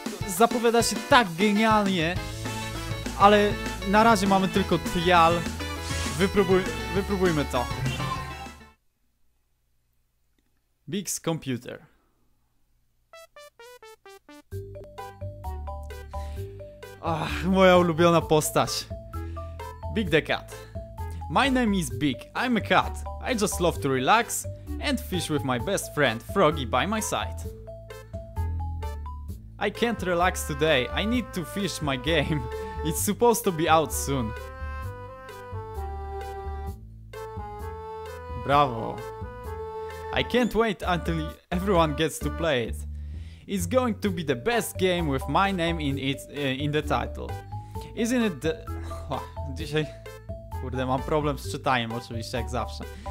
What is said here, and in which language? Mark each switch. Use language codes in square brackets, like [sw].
[pl] Zapowiada się tak genialnie. Ale na razie mamy tylko trial. Wypróbujmy to. [en] Big's Computer. [pl] Ach, moja ulubiona postać. [en] Big the Cat. My name is Big, I'm a cat. I just love to relax and fish with my best friend, Froggy, by my side. I can't relax today, I need to fish my game. It's supposed to be out soon. Bravo. I can't wait until everyone gets to play it. It's going to be the best game with my name in it, in the title. Isn't it the... [pl] Dzisiaj... Kurde, mam problem z czytaniem, oczywiście, jak zawsze.